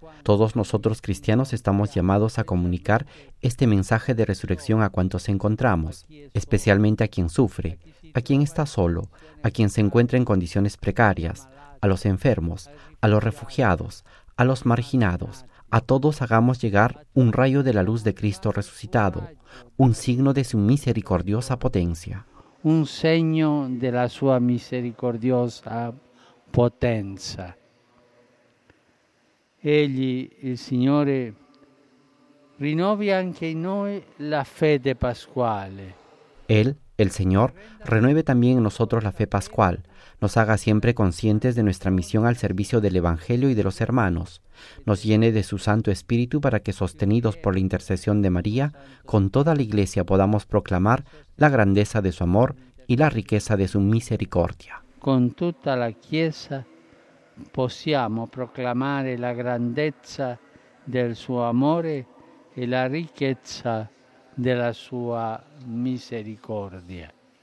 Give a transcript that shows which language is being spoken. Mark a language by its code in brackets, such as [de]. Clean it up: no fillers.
[es] Todos nosotros cristianos estamos llamados a comunicar este mensaje de resurrección a cuantos encontramos, especialmente a quien sufre, a quien está solo, a quien se encuentra en condiciones precarias, a los enfermos, a los refugiados, a los marginados. A todos hagamos llegar un rayo de la luz de Cristo resucitado, un signo de su misericordiosa potencia. [it] Un segno della sua misericordiosa potenza. Egli, il Signore, rinnovi anche in noi la fede pasquale. [es] Él, el Señor, renueve también en nosotros la fe pascual, nos haga siempre conscientes de nuestra misión al servicio del Evangelio y de los hermanos, nos llene de su Santo Espíritu para que, sostenidos por la intercesión de María, con toda la Iglesia podamos proclamar la grandeza de su amor y la riqueza de su misericordia. Con toda [it] la Chiesa possiamo proclamare la grandezza del suo amore e la ricchezza della sua misericordia.